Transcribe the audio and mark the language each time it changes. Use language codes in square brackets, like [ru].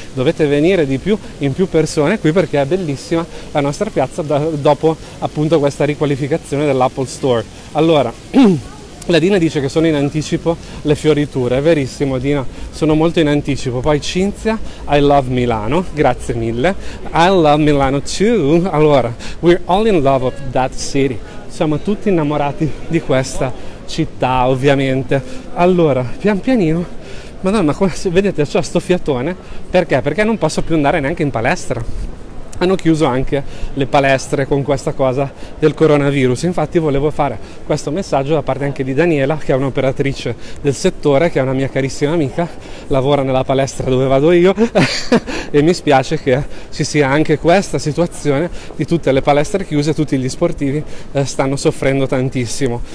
[it] Dovete venire di più in più persone qui perché è bellissima la nostra piazza dopo appunto questa riqualificazione dell'Apple Store. Allora, la Dina dice che sono in anticipo le fioriture, è verissimo Dina, sono molto in anticipo. [en] Poi Cinzia, I love Milano, [it] grazie mille. [en] I love Milano too. Allora, we're all in love of that city. [it] Siamo tutti innamorati di questa città, ovviamente. Allora, pian pianino, madonna, come se, vedete, c'ho sto fiatone, perché? Perché non posso più andare neanche in palestra. Hanno chiuso anche le palestre con questa cosa del coronavirus. Infatti volevo fare questo messaggio da parte anche di Daniela, che è un'operatrice del settore, che è una mia carissima amica, lavora nella palestra dove vado io e mi spiace che ci sia anche questa situazione di tutte le palestre chiuse, tutti gli sportivi stanno soffrendo tantissimo.